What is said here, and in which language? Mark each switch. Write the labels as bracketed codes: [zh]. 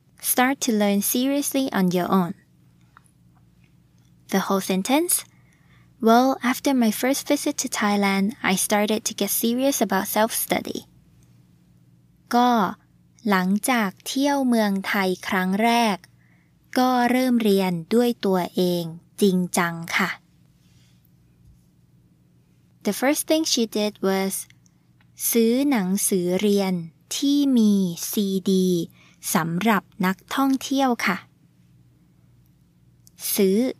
[en] start to learn seriously on your own. The whole sentence? Well, after my first visit to Thailand, I started to get serious about self-study. [th] ก็หลังจากเที่ยวเมืองไทยครั้งแรกก็เริ่มเรียนด้วยตัวเองจริงจังค่ะ [en] The first thing she did was [th] ซื้อหนังสือเรียนที่มีซีดีสำหรับนักท่องเที่ยวค่ะซื้อ